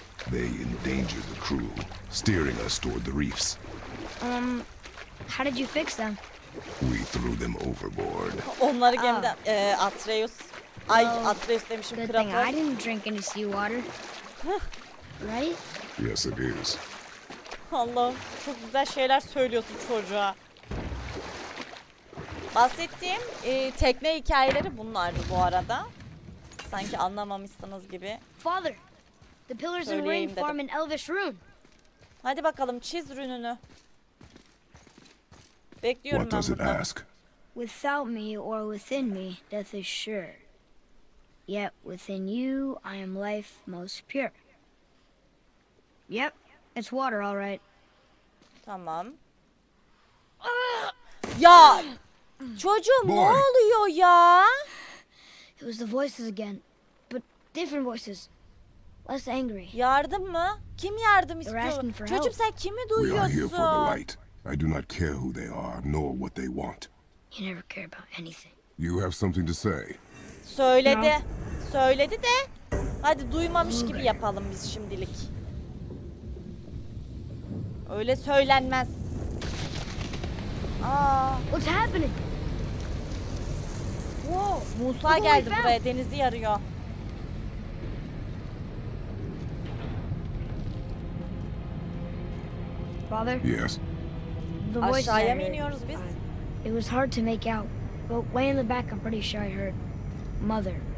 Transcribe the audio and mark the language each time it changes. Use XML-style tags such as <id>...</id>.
<en>They endangered the crew, steering us toward the reefs. How did you fix them? We threw them overboard.</en> <tr>Onları gemide Atreus. Ay Atreus demişim kralım.</tr> <en>I didn't drink any seawater. Right? Yes it is.</en> <tr>Allah'ım çok güzel şeyler söylüyorsun çocuğa. Bahsettiğim tekne hikayeleri bunlardı bu arada. Sanki anlamamışsınız gibi.</tr> <en>Father, the pillars and ring form an elvish rune.</en> <tr>Hadi bakalım çiz rününü. Bekliyorum</tr> <en>what</en> <tr>ben burada.</tr> <en>What does it ask? Without me or within me, death is sure. Yet within you, I am life most pure. Yep, it's water, all right.</en> <tr>Tamam. Ya! Çocuğum</tr> <en>boy.</en> <tr>Ne oluyor ya?</tr> <en>It was the voices again, but different voices. Less angry.</en> <tr>Yardım mı? Kim yardım istiyor? Çocuğum sen kimi duyuyorsun?</tr> <en>We are here for the light. I do not care who they are, nor what they want. You never care about anything. You have something to say.</en> <tr>Söyledi.</tr> <en>No.</en> <tr>Söyledi de. Hadi duymamış gibi yapalım biz şimdilik. Öyle söylenmez.</tr> <en>Aa. What's happening?</en> <tr>Whoa, Musa geldi buraya, denizi yarıyor.</tr> <en>Father? Yes. The voice.</en> <tr>Aşağıya mı iniyoruz biz?</tr> <en>It was hard to make out, but way in the back I'm pretty sure I heard mother.</en>